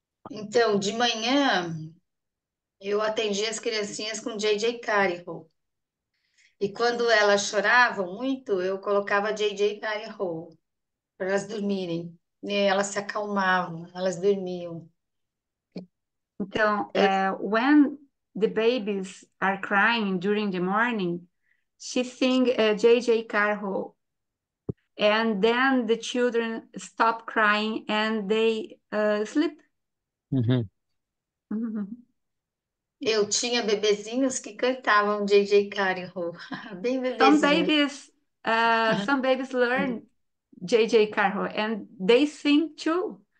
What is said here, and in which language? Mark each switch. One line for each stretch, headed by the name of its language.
Portuguese: Então, de manhã, eu atendi as criancinhas com JJ Cariho. E quando elas choravam muito, eu colocava JJ Cariho para elas dormirem. E elas se acalmavam, elas dormiam. Então,
English: when the babies are crying during the morning, she sing JJ Carho, and then the children stop crying and they sleep.
Portuguese: Eu tinha bebezinhos que cantavam JJ Cariho, bem bebezinhos.
English: Some babies learn JJ Carho and they sing too.